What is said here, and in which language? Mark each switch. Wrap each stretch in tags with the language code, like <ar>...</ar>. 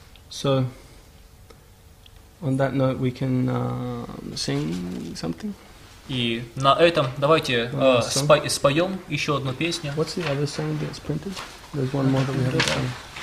<en>So, on that note, we can sing something.</en> <ru>И на этом давайте споем еще одну песню.</ru> <en>What's the other song that's printed? There's one more that we have done.</en>